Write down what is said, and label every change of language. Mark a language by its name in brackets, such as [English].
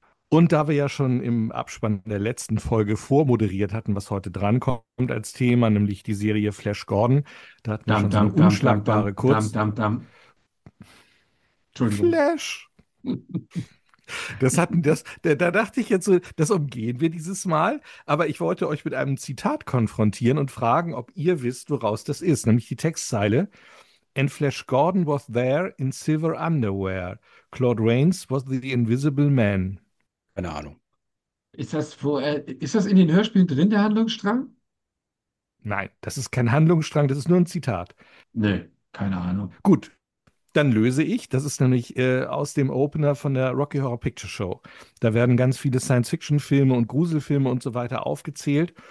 [German] Und da wir ja schon im Abspann der letzten Folge vormoderiert hatten, was heute drankommt als Thema, nämlich die Serie Flash Gordon, da hatten wir schon so eine unschlagbare Kurz. Entschuldigung. Flash. Da dachte ich jetzt so, das umgehen wir dieses Mal. Aber ich wollte euch mit einem Zitat konfrontieren und fragen, ob ihr wisst, woraus das ist, nämlich die Textzeile. [English] And Flash Gordon was there in silver underwear. Claude Rains was the invisible man. [German] Keine Ahnung. Ist das in den Hörspielen drin, der Handlungsstrang? Nein, das ist kein Handlungsstrang, das ist nur ein Zitat. Nee, keine Ahnung. Gut, dann löse ich. Das ist nämlich aus dem Opener von der Rocky Horror Picture Show. Da werden ganz viele Science-Fiction-Filme und Gruselfilme und so weiter aufgezählt.